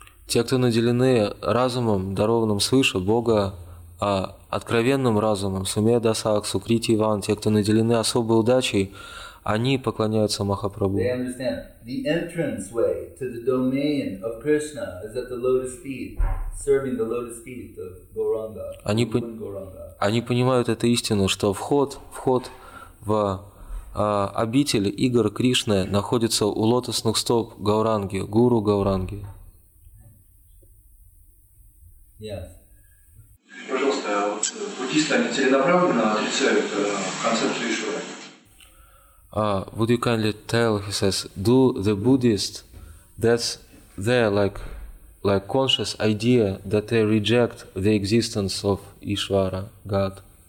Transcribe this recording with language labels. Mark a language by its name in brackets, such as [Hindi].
[Russian] Те, кто наделены разумом, дарованным свыше Бога, откровенным разумом, Сумедаса, Сукритиван, те, кто наделены особой удачей, они поклоняются Махапрабху. [English] They understand the entrance way to the domain of Krishna is at the lotus feet, serving the lotus feet of Gauranga. [Russian] Они понимают эту истину, что вход в обитель игр Кришны находится у лотосных стоп Гауранги, гуру Гауранги. [English] Yes. [Russian] Пожалуйста, буддисты они целенаправленно отрицают концепцию Ишвары. [English] Would you kindly tell, he says, do the Buddhist, that's their like conscious idea that they reject the existence of Ishvara, God.